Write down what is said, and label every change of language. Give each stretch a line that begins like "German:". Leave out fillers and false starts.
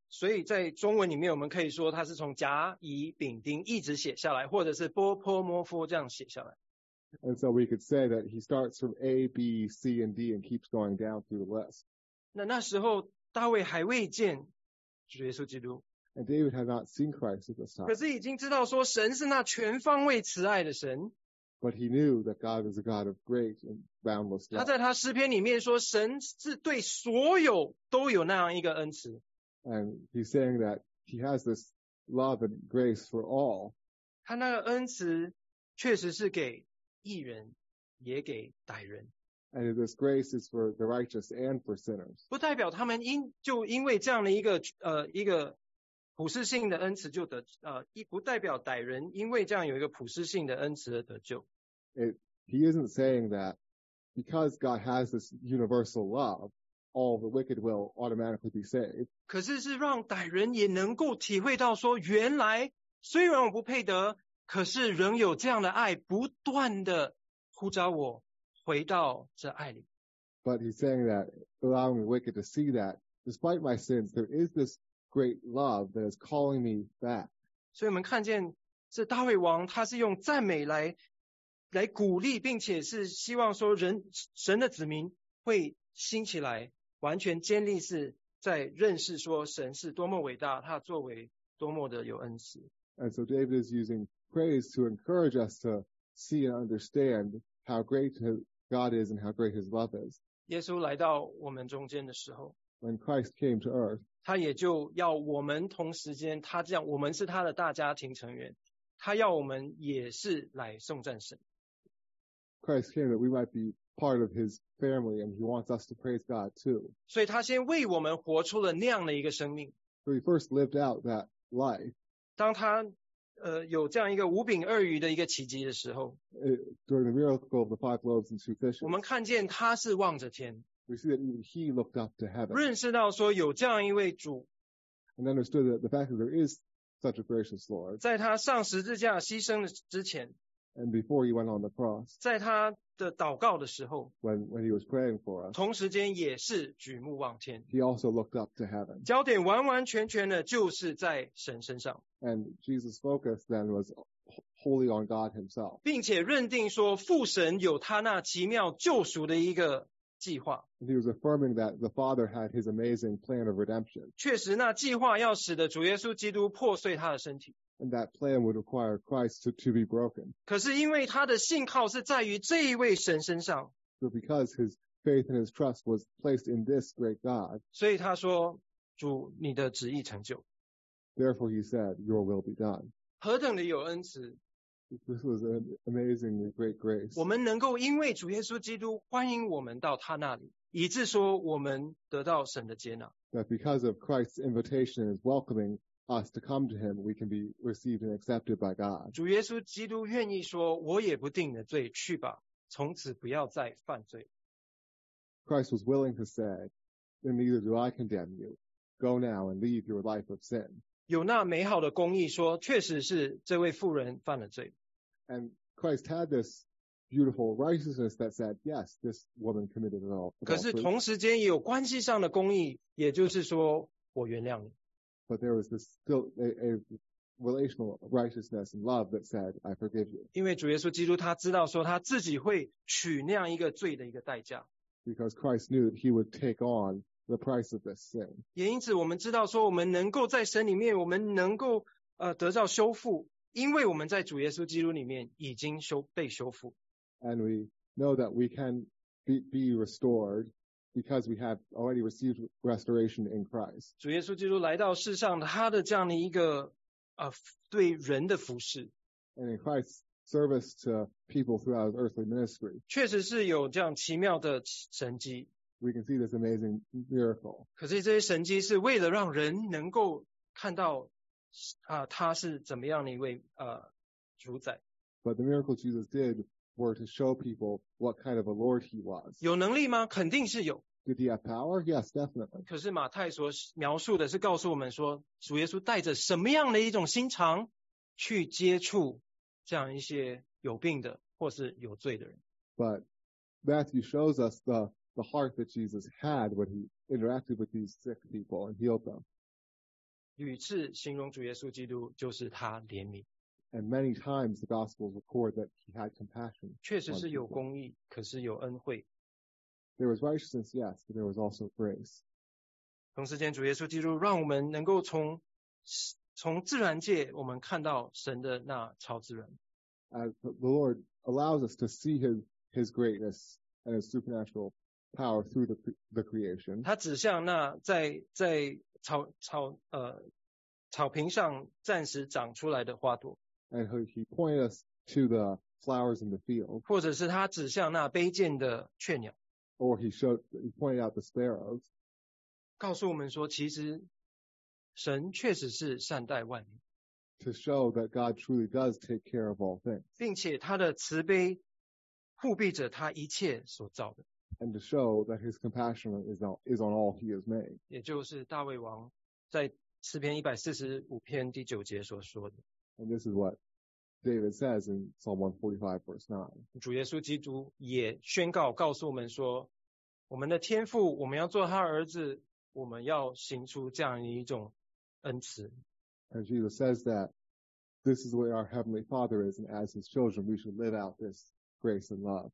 Chinese: 所以在中文里面我们可以说它是从甲乙丙丁一直写下来，或者是波波摩佛这样写下来。
English: And so we could say that he starts from A, B, C, and D and keeps going down through the list.
Chinese: 那时候大卫还未见主耶稣基督。
English: And David had not seen Christ at this time.
Chinese: 可是已经知道说神是那全方位慈爱的神。
English: But he knew that God is a God of great and boundless love.
Chinese: 他在他诗篇里面说神是对所有都有那样一个恩慈。
English: And he's saying that he has this love and grace for all.
Chinese: 他那个恩慈确实是给义人也给歹人。
English: And this grace is for the righteous and for sinners.
Chinese: 不代表他们因为这样的一个普世性的恩慈就得不代表歹人因为这样有一个普世性的恩慈而得救。
English: He isn't saying that because God has this universal love, all the wicked will automatically be saved.
Chinese: 可是是让歹人也能够体会到说，原来虽然我不配得，可是仍有这样的爱不断的呼召我。回到这爱里。
English: But he's saying that allowing the wicked to see that, despite my sins, there is this great love that is calling me back.
Chinese: 所以我们看见这大卫王他是用赞美来鼓励，并且是希望说神的子民会兴起来，完全建立是在认识说神是多么伟大，他作为多么的有恩慈。
English: And so David is using praise to encourage us to see and understand how great God is and how great his love is.
Chinese: 耶稣来到我们中间的时候，
English: When Christ came to earth,
Chinese: 他也就要我们同时间，他这样，我们是他的大家庭成员，他要我们也是来颂赞神。
English: Christ came that we might be part of his family and he wants us to praise God too.
Chinese: 所以他先为我们活出了那样的一个生命。
English: So he first lived out that life.
Chinese: 当他有这样一个五饼二鱼的一个奇迹的时候，
English: During the miracle of the five loaves and two fishes,
Chinese: 我们看见他是望着天，
English: We see that even he looked up to heaven,
Chinese: 认识到说有这样一位主，
English: And understood that the fact that there is such a gracious Lord,
Chinese: 在他上十字架牺牲之前，
English: And before he went on the cross,
Chinese: 在他的祷告的时候，
English: when he was praying for us,
Chinese: 同时间也是举目望天，
English: He also looked up to heaven,
Chinese: 焦点完完全全的就是在神身上。
English: And Jesus' focus then was wholly on God himself.
Chinese: 并且认定说父神有他那奇妙救赎的一个计划。
English: He was affirming that the Father had his amazing plan of redemption.
Chinese: 确实那计划要使得主耶稣基督破碎他的身体。
English: And that plan would require Christ to be broken.
Chinese: 可是因为他的信靠是在于这一位神身上。
English: So because his faith and his trust was placed in this great God.
Chinese: 所以他说，主，你的旨意成就。
English: Therefore, he said, Your will be done.
Chinese: 何等的有恩慈。
English: This was an amazing great grace.
Chinese: 我们能够因为主耶稣基督欢迎我们到他那里，以致说我们得到神的接纳。
English: That because of Christ's invitation and welcoming us to come to him, we can be received and accepted by God.
Chinese: 主耶稣基督愿意说，我也不定的罪，去吧，从此不要再犯罪。
English: Christ was willing to say, then neither do I condemn you. Go now and leave your life of sin.
Chinese: 有那美好的公义说，确实是这位妇人犯了罪。
English: And Christ had this beautiful righteousness that said, yes, this woman committed it all.
Chinese: 可是同时间也有关系上的公义，也就是说，我原谅你。
English: But there was this still a relational righteousness and love that said, I forgive you.
Chinese: 因为主耶稣基督他知道说他自己会取那样一个罪的一个代价。
English: Because Christ knew that he would take on the price of this sin.
Chinese: 也因此我们知道说我们能够在神里面我们能够得到修复，因为我们在主耶稣基督里面已经被修复。
English: And we know that we can be restored because we have already received restoration in Christ.
Chinese: 主耶稣基督来到世上，他的这样的一个对人的服事。
English: And in Christ's service to people throughout his earthly ministry.
Chinese: 确实是有这样奇妙的神迹。
English: We can see this amazing miracle.
Chinese: 可是这些神迹是为了让人能够看到他是怎么样的一位主宰。
English: But the miracle Jesus did were to show people what kind of a Lord he was.
Chinese: 有能力吗？肯定是有。
English: Did he have power? Yes, definitely.
Chinese: 可是马太所描述的是告诉我们说，主耶稣带着什么样的一种心肠去接触这样一些有病的或是有罪的人。
English: But Matthew shows us the heart that Jesus had when he interacted with these sick people and healed them.
Chinese: 屡次形容主耶稣基督就是他怜悯。
English: And many times the Gospels record that he had compassion.
Chinese: 确实是有公义，可是有恩惠。
English: There was righteousness, yes, but there was also grace.
Chinese: 同时间，主耶稣基督让我们能够从自然界，我们看到神的那超自然。
English: As the Lord allows us to see his greatness and his supernatural power through the creation.
Chinese: 他指向那在草坪上暂时长出来的花朵。
English: And he pointed us to the flowers in the field.
Chinese: 或者是他指向那卑贱的雀鸟。
English: Or he pointed out the sparrows.
Chinese: 告诉我们说其实神确实是善待万民。
English: To show that God truly does take care of all things.
Chinese: 并且他的慈悲护庇着他一切所造的。
English: And to show that his compassion is on all he has made.
Chinese: 也就是大卫王在诗篇145篇第9节所说的。
English: And this is what David says in Psalm 145 verse 9.
Chinese: 主耶稣基督也宣告告诉我们说，我们的天父，我们要做他儿子，我们要行出这样一种恩慈。
English: And Jesus says that this is where our heavenly Father is, and as his children, we should live out this grace and love.